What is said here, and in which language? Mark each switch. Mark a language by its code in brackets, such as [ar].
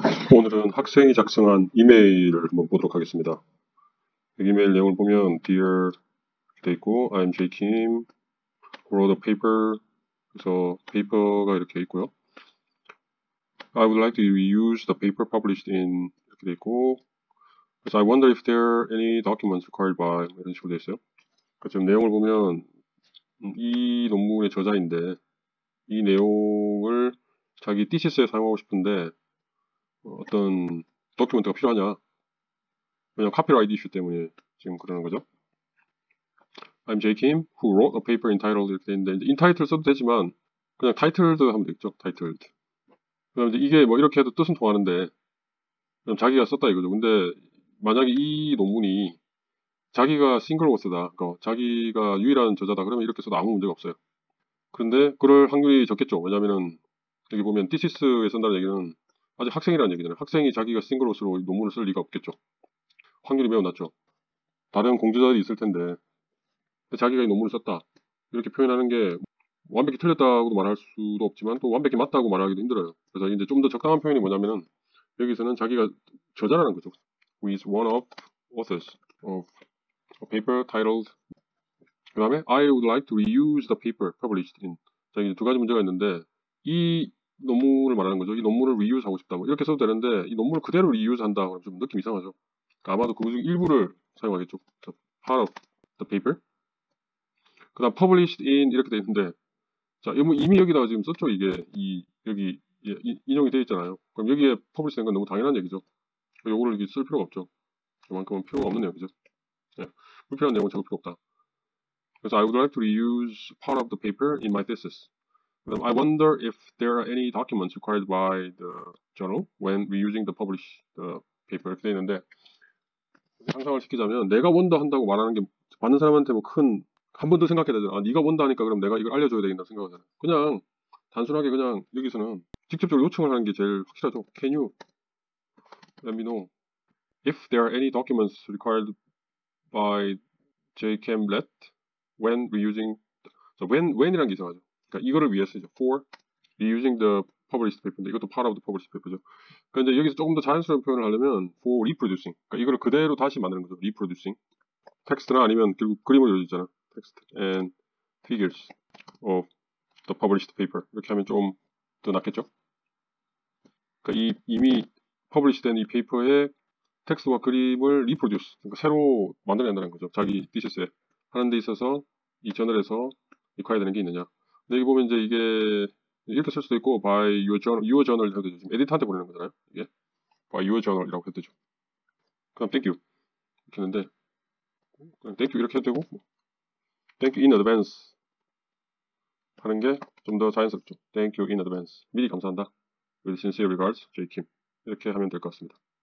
[ko] 오늘은 학생이 작성한 이메일을 한번 보도록 하겠습니다. 이메일 내용을 보면 Dear 이렇게 돼 있고 [en] I'm J. Kim, wrote a paper [ko] 그래서 paper가 이렇게 있고요. [en] I would like to reuse the paper published in [ko] 이렇게 돼 있고 그래서 [en] I wonder if there are any documents required by [ko] 이런 식으로 돼 있어요. 지금 내용을 보면 이 논문의 저자인데 이 내용을 자기 thesis에 사용하고 싶은데 어떤 도큐먼트가 필요하냐? 왜냐면 copyright issue 때문에 지금 그러는 거죠. [en] I'm J. Kim, who wrote a paper entitled [ko] 이렇게 되는데 인타이틀 써도 되지만 그냥 타이틀도 하면 되겠죠. 타이틀. 그다음에 이게 뭐 이렇게 해도 뜻은 통하는데 그냥 자기가 썼다 이거죠. 근데 만약에 이 논문이 자기가 싱글 오스다, 그러니까 자기가 유일한 저자다 그러면 이렇게 써도 아무 문제가 없어요. 그런데 그럴 확률이 적겠죠. 왜냐면은 여기 보면 thesis에 쓴다는 얘기는 아직 학생이라는 얘기잖아요. 학생이 자기가 싱글로서 논문을 쓸 리가 없겠죠. 확률이 매우 낮죠. 다른 공저자들이 있을 텐데 자기가 이 논문을 썼다 이렇게 표현하는 게 완벽히 틀렸다고도 말할 수도 없지만 또 완벽히 맞다고 말하기도 힘들어요. 그래서 이제 좀더 적당한 표현이 뭐냐면은 여기서는 자기가 저자라는 거죠. [en] Who is one of authors of a paper titled [ko] 그다음에 [en] I would like to reuse the paper published in [ko] 자 이제 두 가지 문제가 있는데 이 논문을 말하는 거죠. 이 논문을 리유스 하고 싶다고 이렇게 써도 되는데 이 논문을 그대로 리유스 한다 그럼 좀 느낌 이상하죠. 그러니까 아마도 그 중에 일부를 사용하겠죠. [en] Part of the paper. [ko] 그다음 published in 이렇게 돼 있는데 자 이미 여기다가 지금 썼죠. 이게 이 여기 인용이 돼 있잖아요. 그럼 여기에 published 된건 너무 당연한 얘기죠. 요거를 이렇게 쓸 필요가 없죠. 그만큼은 필요가 없는 얘기죠. 네. 불필요한 내용은 적을 필요 없다. [en] 그래서 I would like to reuse part of the paper in my thesis. I wonder if there are any documents required by the journal when reusing the published paper. [ko] 이렇게 되어있는데 상상을 시키자면 내가 원더 한다고 말하는 게 받는 사람한테 뭐큰한번더 생각해야 되잖아. 아, 네가 원더 하니까 그럼 내가 이걸 알려줘야 되겠다 생각을 하잖아. 그냥 단순하게 그냥 여기서는 직접적으로 요청을 하는 게 제일 확실하죠. [en] Can you let me know if there are any documents required by J. Kim Lett when reusing so [ko] when이란 게 이상하죠. 그니까 이거를 위해서 이제 [en] for reusing the published [ko] paper인데 이것도 [en] part of the published [ko] paper죠. 그런데 여기서 조금 더 자연스러운 표현을 하려면 [en] for reproducing. [ko] 그러니까 이거를 그대로 다시 만드는 거죠. [en] reproducing. [ko] 텍스트나 아니면 결국 그림을 그려주잖아. [en] 텍스트 and figures of the published paper. [ko] 이렇게 하면 좀더 낫겠죠. 그러니까 이 이미 published 된이 페이퍼에 텍스트와 그림을 reproduce. 그러니까 새로 만들어낸다는 거죠. 자기 thesis에 하는 데 있어서 이 저널에서 required 되는 게 있느냐. 여기 보면 이제 이게 이렇게 쓸 수도 있고 [en] by your journal [ko] 해도 되죠. 지금 에디터한테 보내는 거잖아요. 이게 [en] by your journal [ko] 이라고 해도 되죠. 그럼 thank you 이렇게 했는데 그냥 thank you 이렇게 해도 되고 [en] thank you in advance [ko] 하는 게좀더 자연스럽죠. thank you in advance 미리 감사한다. [en] with sincere regards, J. Kim [ko] 이렇게 하면 될것 같습니다.